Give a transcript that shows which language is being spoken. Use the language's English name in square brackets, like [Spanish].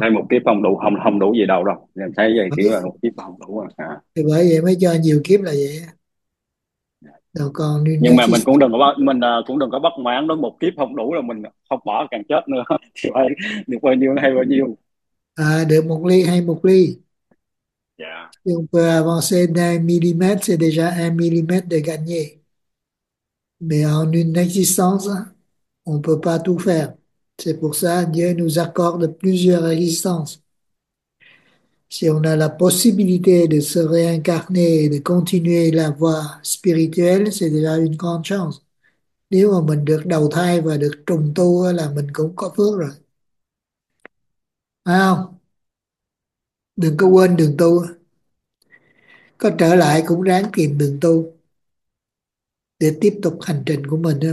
[Vietnamese] thấy một kiếp không đủ, không không đủ gì đâu đâu, em thấy vậy, Thì kiểu là một kiếp không đủ rồi hả. bởi vậy mới cho nhiều kiếp là vậy. Rồi con đi Nhưng nghe mà chi. mình cũng đừng có bất mãn đó, một kiếp không đủ là mình không bỏ càng chết nữa thì phải được bao nhiêu hay bao nhiêu. À, được một ly hay một ly. [French] Si on peut avancer d'un millimètre, c'est déjà un millimètre de gagné. Mais en une existence, on ne peut pas tout faire. C'est pour ça que Dieu nous accorde plusieurs existences. Si on a la possibilité de se réincarner et de continuer la voie spirituelle, c'est déjà une grande chance. [Vietnamese] Nếu mà mình được đầu thai và được trùng tu là mình cũng có phước rồi. Phải không? Đừng có quên đường tu. Có trở lại cũng ráng tìm đường tu để tiếp tục hành trình của mình.